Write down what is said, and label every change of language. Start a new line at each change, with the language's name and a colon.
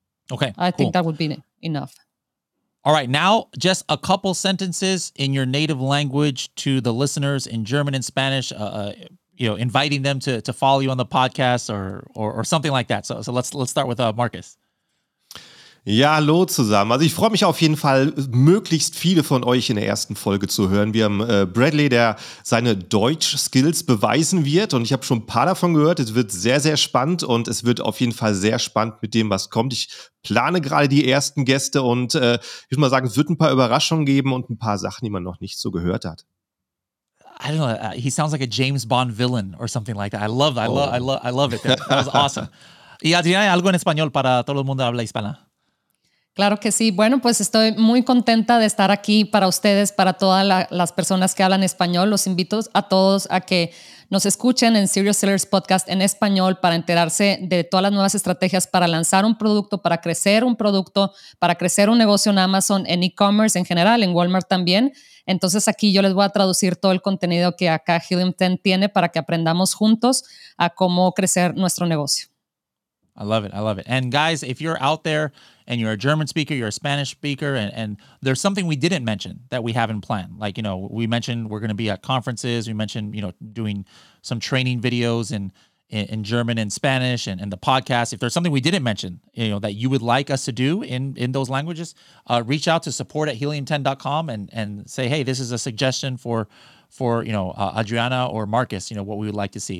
English: Okay, I think that would be enough. All right, now just a couple sentences in your native language to the listeners in German and Spanish, inviting them to follow you on the podcast or something like that. So let's start with Marcus.
German: Ja, hallo zusammen. Also ich freue mich auf jeden Fall, möglichst viele von euch in der ersten Folge zu hören. Wir haben Bradley, der seine Deutsch-Skills beweisen wird, und ich habe schon ein paar davon gehört. Es wird sehr, sehr spannend, und es wird auf jeden Fall sehr spannend mit dem, was kommt. Ich plane gerade die ersten Gäste und ich würde mal sagen, es wird ein paar Überraschungen geben und ein paar Sachen, die man noch nicht so gehört hat.
English: I don't know, he sounds like a James Bond villain or something like that. I love it. That was awesome.
Spanish: Y Adriana, algo en español para todo el mundo habla hispana. Claro que sí. Bueno, pues estoy muy contenta de estar aquí para ustedes, para todas las personas que hablan español. Los invito a todos a que nos escuchen en Serious Sellers Podcast en español para enterarse de todas las nuevas estrategias para lanzar un producto, para crecer un producto, para crecer un negocio en Amazon, en e-commerce en general, en Walmart también. Entonces aquí yo les voy a traducir todo el contenido que acá Helium 10 tiene para que aprendamos juntos a cómo crecer nuestro negocio.
English: I love it. I love it. And guys, if you're out there and you're a German speaker, you're a Spanish speaker, and there's something we didn't mention that we haven't planned. Like, you know, we mentioned we're going to be at conferences. We mentioned, you know, doing some training videos in German and Spanish and the podcast. If there's something we didn't mention, you know, that you would like us to do in those languages, reach out to support@helium10.com and say, hey, this is a suggestion for Adriana or Marcus, you know, what we would like to see.